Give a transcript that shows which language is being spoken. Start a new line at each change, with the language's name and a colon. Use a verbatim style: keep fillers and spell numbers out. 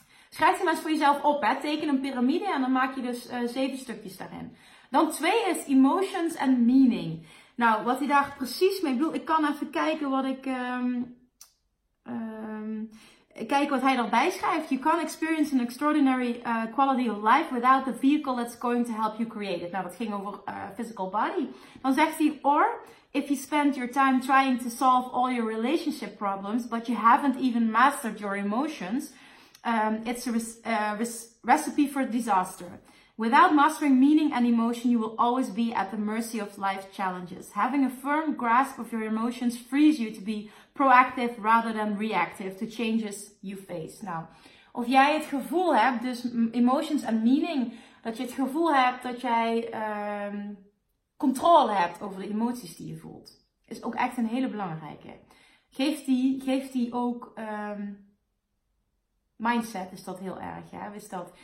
Dutch: Schrijf je maar eens voor jezelf op, hè. Teken een piramide en dan maak je dus uh, zeven stukjes daarin. Dan twee is emotions en meaning. Nou, wat hij daar precies mee bedoelt, ik kan even kijken wat ik... Um, um, kijk wat hij daarbij schrijft.
English: You can't experience an extraordinary uh, quality of life without the vehicle that's going to help you create it.
Dutch: Nou, dat ging over
English: uh, physical body.
Dutch: Dan zegt hij,
English: or if you spend your time trying to solve all your relationship problems, but you haven't even mastered your emotions, um, it's a res- uh, res- recipe for disaster. Without mastering meaning and emotion, you will always be at the mercy of life's challenges. Having a firm grasp of your emotions frees you to be proactive rather than reactive to changes you face.
Dutch: Nou, of jij het gevoel hebt, dus emotions en meaning, dat je het gevoel hebt dat jij um, controle hebt over de emoties die je voelt. Is ook echt een hele belangrijke. Geeft die, geeft die ook... Um, mindset is dat heel erg, ja, is dat.